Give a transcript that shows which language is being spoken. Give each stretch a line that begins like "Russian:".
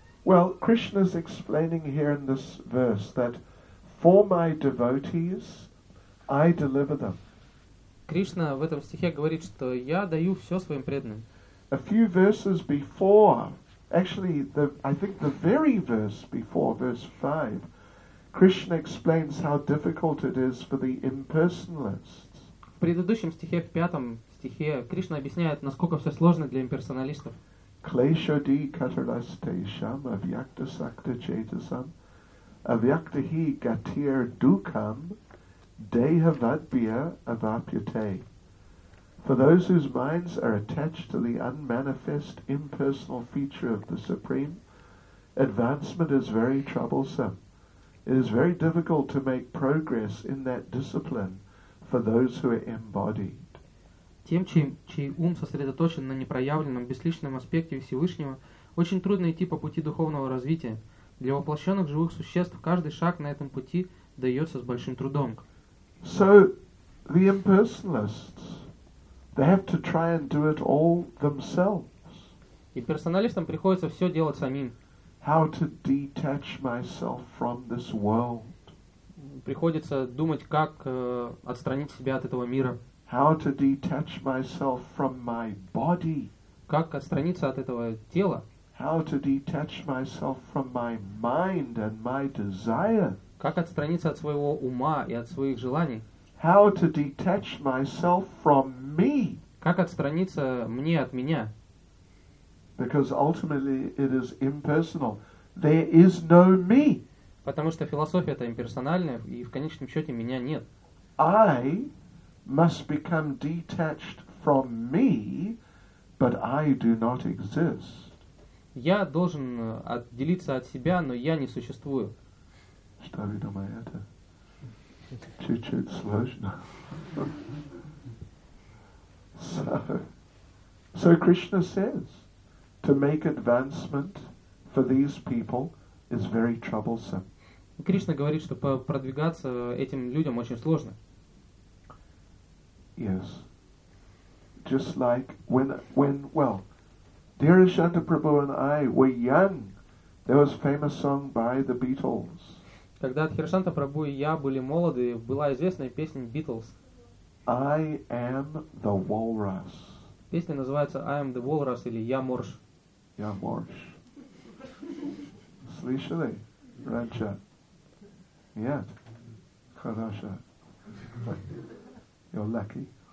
English: Well, Krishna's explaining here in this verse that for my devotees, I deliver them.
Russian: Кришна в этом стихе говорит, что я даю все своим преданным.
English: A few verses before, actually, I think the very verse before, verse 5, Krishna explains how difficult it is for the impersonalists.
Russian: В предыдущем стихе, в пятом стихе, Кришна объясняет, насколько все сложно для имперсоналистов.
Sanskrit: Kleshodi Kataristesham Avyakta Sakta Chetasam Avyaktahi Gatir Dukam Dehavadbhya Avapyate.
English: For those whose minds are attached to the unmanifest, impersonal feature of the Supreme, advancement is very troublesome. It is very difficult to make progress in that discipline for those who are embodied.
Russian: Тем, чей ум сосредоточен на непроявленном, бесличном аспекте Всевышнего, очень трудно идти по пути духовного развития. Для воплощенных живых существ каждый шаг на этом пути дается с большим трудом.
English: So, the impersonalists, they have to try and do it all themselves.
Russian: И персоналистам приходится все делать самим.
English: How to detach myself from this world.
Russian: Приходится думать, как отстранить себя от этого мира.
English: How to detach myself from my body.
Russian: Как отстраниться от этого тела.
English: How to detach myself from my mind and my desire.
Russian: Как отстраниться от своего ума и от своих желаний.
English: How to detach myself from me.
Russian: Как отстраниться мне от меня.
English: Because ultimately it is impersonal. There is no me.
Russian: Потому что философия-то имперсональная, и в конечном счете меня нет.
English: I must become detached from me, but I do not exist.
Russian: Я должен отделиться от себя, но я не существую. Что вы думаете? Чуть-чуть сложно.
English: So Krishna says, to make advancement for these people is very troublesome.
Russian: Кришна говорит, что продвигаться этим людям очень сложно.
English: Yes. Just like when Dhirashanta Prabhu and I were young, there was a famous song by the Beatles.
Russian: Когда Дхиршанта Прабху и я были молоды, была известная песня Beatles.
English: I am the walrus.
Russian: Песня называется I am the walrus или Я морж. Я морж. Слышали? Раньше? Нет? Хорошо.
English: You're lucky.